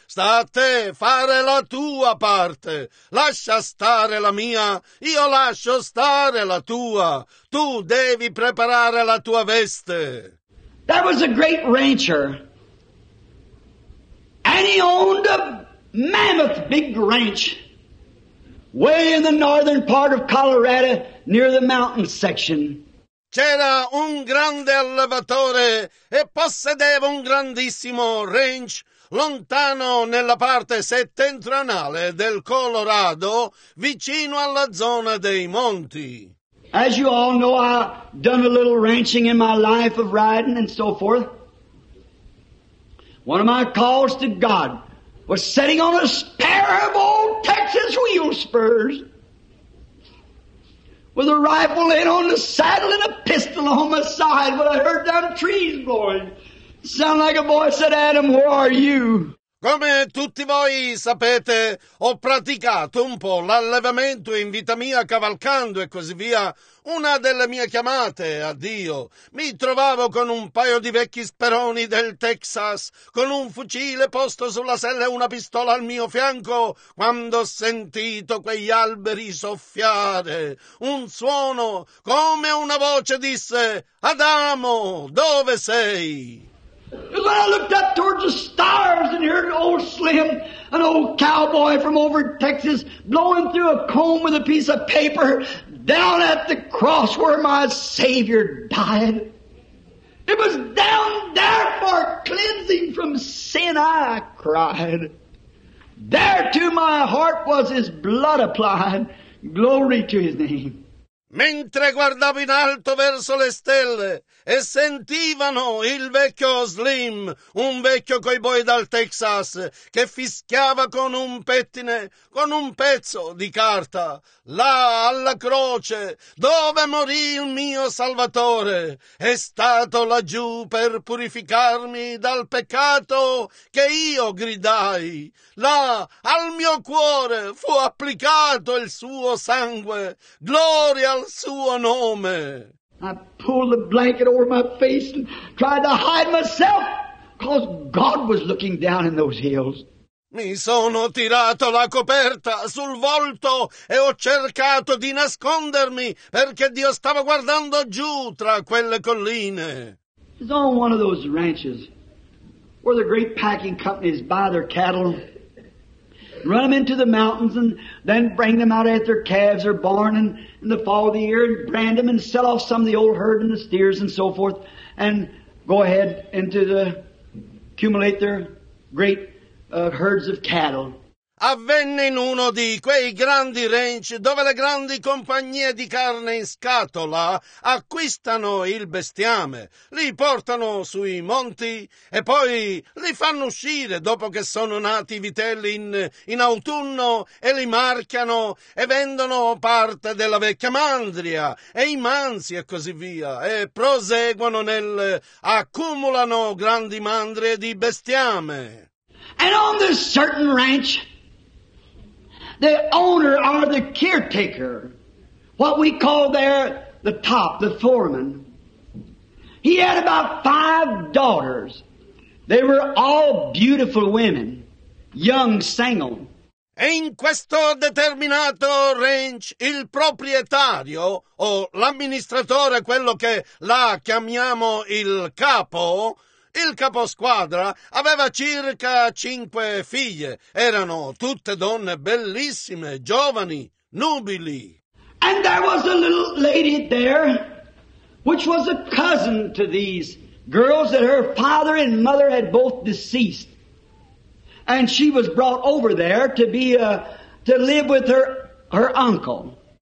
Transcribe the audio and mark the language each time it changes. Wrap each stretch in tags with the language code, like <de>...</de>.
<it>Sta a te fare la tua parte. Lascia stare la mia. Io lascio stare la tua. Tu devi preparare la tua veste.</it> <en>That was a great rancher. And he owned a mammoth big ranch. Way in the northern part of Colorado, near the mountain section.</en> <it>C'era un grande allevatore e possedeva un grandissimo ranch lontano nella parte settentrionale del Colorado, vicino alla zona dei monti.</it> <en>As you all know, I've done a little ranching in my life of riding and so forth. One of my calls to God was sitting on a pair of old Texas wheel spurs with a rifle in on the saddle and a pistol on my side when I heard them trees blowing. Sound like a voice said, Adam, where are you?</en> <it>Come tutti voi sapete, ho praticato un po' l'allevamento in vita mia cavalcando e così via. Una delle mie chiamate a Dio, mi trovavo con un paio di vecchi speroni del Texas, con un fucile posto sulla sella e una pistola al mio fianco, quando ho sentito quegli alberi soffiare. Un suono, come una voce, disse, Adamo, dove sei?</it> <en>And when I looked up towards the stars and heard old Slim, an old cowboy from over Texas, blowing through a comb with a piece of paper down at the cross where my Savior died. It was down there for cleansing from sin I cried. There to my heart was his blood applied. Glory to his name.</en> <it>Mentre guardavo in alto verso le stelle e sentivano il vecchio Slim, un vecchio cowboy dal Texas, che fischiava con un pettine, con un pezzo di carta, là alla croce, dove morì il mio Salvatore, è stato laggiù per purificarmi dal peccato che io gridai. Là al mio cuore fu applicato il suo sangue, gloria al suo nome.</it> <en>I pulled the blanket over my face and tried to hide myself because God was looking down in those hills.</en> <it>Mi sono tirato la coperta sul volto e ho cercato di nascondermi perché Dio stava guardando giù tra quelle colline.</it> <en>It's on one of those ranches where the great packing companies buy their cattle, run them into the mountains and then bring them out at their calves or barn and in the fall of the year and brand them and sell off some of the old herd and the steers and so forth and go ahead into the accumulate their great herds of cattle.</en> <it>avvenne in uno di quei grandi ranch dove le grandi compagnie di carne in scatola acquistano il bestiame, li portano sui monti e poi li fanno uscire dopo che sono nati i vitelli in autunno e li marchiano e vendono parte della vecchia mandria e i manzi e così via e proseguono nel accumulano grandi mandrie di bestiame.</it> <en>And on this certain ranch, the owner or the caretaker, what we call there the top, the foreman, he had about 5 daughters. They were all beautiful women, young, single.</en> <it>E in questo determinato ranch il proprietario o l'amministratore, quello che la chiamiamo il caposquadra, aveva circa 5 figlie. Erano tutte donne bellissime, giovani, nubili.</it> <en>And there was a little lady there, which was a cousin to these girls that her father and mother had both deceased. And she was brought over there to be to live with her uncle.</en>